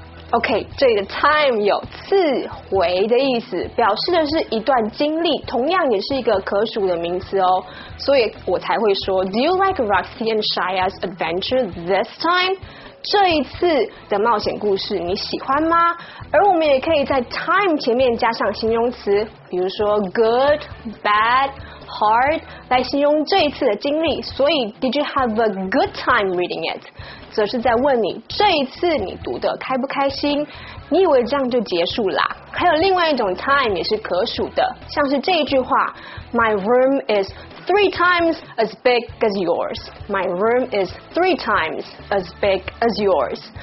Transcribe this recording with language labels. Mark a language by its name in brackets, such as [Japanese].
[Chinese] OK, 这里的 time 有次回的意思，表示的是一段经历，同样也是一个可数的名词哦。所以我才会说 [English] Do you like Roxy and Shia's adventure this time? [Chinese] 这一次的冒险故事你喜欢吗？而我们也可以在 time 前面加上形容词，比如说 [English] good, bad, hard [Chinese] 来形容这一次的经历。所以 [English] did you have a good time reading it? [Chinese] 则是在问你这一次你读得开不开心？你以为这样就结束啦？还有另外一种 time 也是可数的，像是这一句话 [English] My room is three times as big as yours. My room is three times as big as yours.